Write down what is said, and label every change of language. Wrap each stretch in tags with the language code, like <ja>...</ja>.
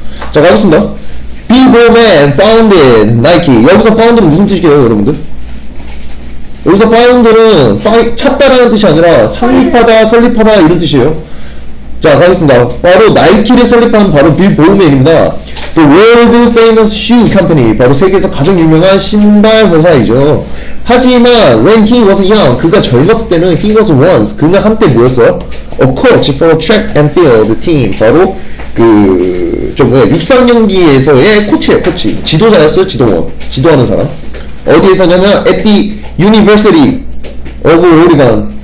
<ko>자, 가겠습니다.</ko> <en>B-Bormans founded Nike.</en> <ko>여기서 founded는 무슨 뜻이에요, 여러분들? 여기서 founded는 찾다라는 뜻이 아니라 창립하다, 설립하다 이런 뜻이에요. 자, 가겠습니다. 바로 나이키를 설립한 바로 B-Bormans입니다.</ko> <en>The world famous shoe company.</en> <ko>바로 세계에서 가장 유명한 신발 회사이죠. 하지만</ko> <en>when he was young,</en> <ko>그가 젊었을 때는</ko> <en>he was once,</en> <ko>그가 한때 뭐였어요?</ko> <en>A coach for track and field team.</en> <ko>바로 그 좀 뭐야, 육상 경기에서의 코치예요. 코치, 지도자였어요. 지도원, 지도하는 사람. 어디에서냐면</ko> <en>at the University of Oregon.</en>